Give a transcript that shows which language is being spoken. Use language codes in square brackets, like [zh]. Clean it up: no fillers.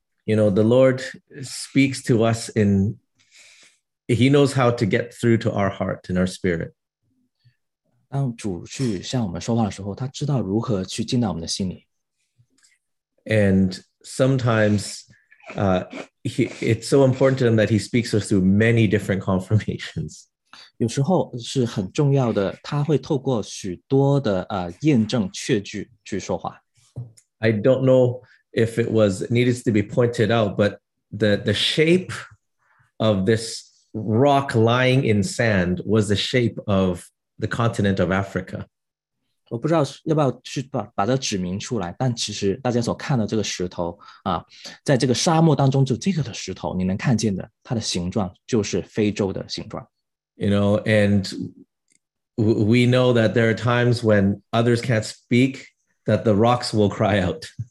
[en] You know, the Lord speaks to us in, he knows how to get through to our heart and our spirit. And sometimes it's so important to him that he speaks us through many different confirmations. [zh] 有时候是很重要的, 他会透过许多的, 验证确据去说话。 [en] I don't know if it was needed to be pointed out, but the shape of this rock lying in sand was the shape of the continent of Africa. [zh] 我不知道要不要去把它指明出来, 但其实大家所看到这个石头, 啊, 在这个沙漠当中, 就这个的石头, 你能看见的, 它的形状就是非洲的形状。 [en] You know, and we know that there are times when others can't speak, that the rocks will cry out.